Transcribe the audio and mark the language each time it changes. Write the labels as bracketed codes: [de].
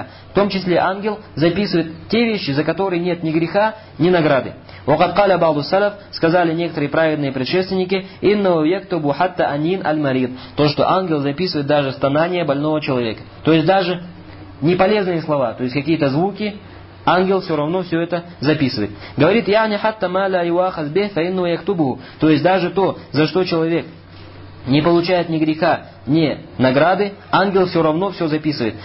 [ru] В том числе ангел записывает те вещи, за которые нет ни греха, ни награды. [ar] وقد قال بعض السلف, [ru] сказали некоторые праведные предшественники, [ar] إنه يكتب حتى أنين المريض. [ru] То, что ангел записывает даже стонание больного человека. То есть даже неполезные слова, то есть какие-то звуки, ангел все равно все это записывает. Говорит, [ar] я не хатта маля юахас бе фаинну яктубу. [ru] То есть даже то, за что человек не получает ни греха, ни награды, ангел все равно все записывает.